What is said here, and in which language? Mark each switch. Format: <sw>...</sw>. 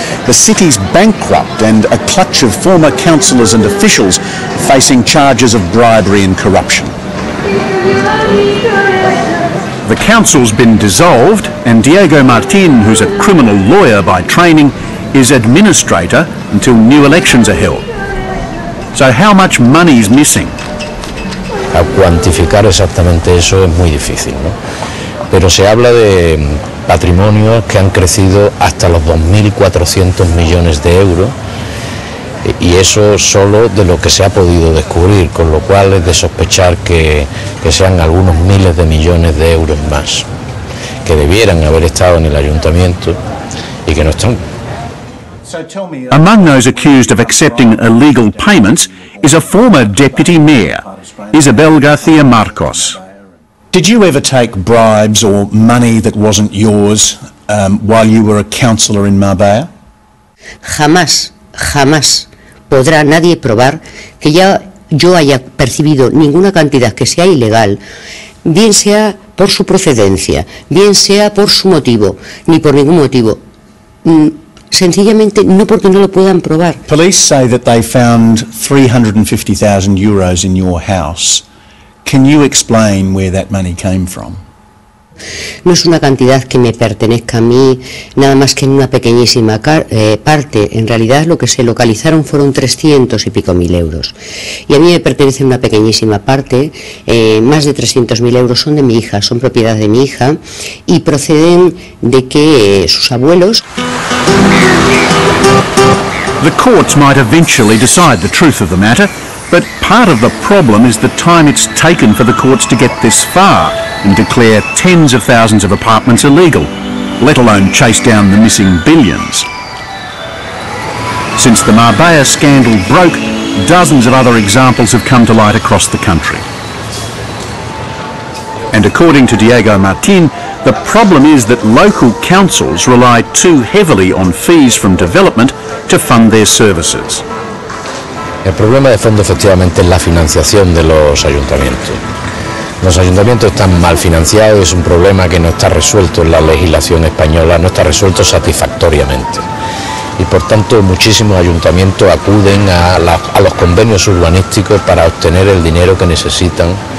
<en>The city's bankrupt and a clutch of former councillors and officials facing charges of bribery and corruption. The council's been dissolved, and Diego Martin, who's a criminal lawyer by training, is administrator until new elections are held. So how much money is missing?</en> <es>A cuantificar exactamente eso es muy difícil, ¿no? Pero se habla de patrimonios que han crecido hasta los 2.400 millones de euros y eso solo de lo que se ha podido descubrir, con lo cual es de sospechar que sean algunos miles de millones de euros más que debieran haber estado en el ayuntamiento y que no están.</es> <en>Among those accused of accepting illegal payments is a former deputy mayor, Isabel García Marcos. Did you ever take bribes or money that wasn't yours while you were a councillor in Marbella?</en> <es>Jamás, jamás podrá nadie probar que ya yo haya percibido ninguna cantidad que sea ilegal, bien sea por su procedencia, bien sea por su motivo, ni por ningún motivo. Sencillamente no porque no lo puedan probar.</es> <en>Police say that they found 350,000 euros in your house. Can you explain where that money came from?</en> <es>No es una cantidad que me pertenezca a mí, nada más que en una pequeñísima parte. En realidad lo que se localizaron fueron 300 y pico mil euros. Y a mí me pertenece una pequeñísima parte, más de 300.000 euros son de mi hija, son propiedad de mi hija y proceden de que sus abuelos...</es> <en>The courts might eventually decide the truth of the matter, but part of the problem is the time it's taken for the courts to get this far and declare tens of thousands of apartments illegal, let alone chase down the missing billions. Since the Marbella scandal broke, dozens of other examples have come to light across the country. And according to Diego Martin, the problem is that local councils rely too heavily on fees from development to fund their services.</en> <es>El problema de fondo efectivamente es la financiación de los ayuntamientos. Los ayuntamientos están mal financiados y es un problema que no está resuelto en la legislación española, no está resuelto satisfactoriamente. Y por tanto muchísimos ayuntamientos acuden a los convenios urbanísticos para obtener el dinero que necesitan.</es>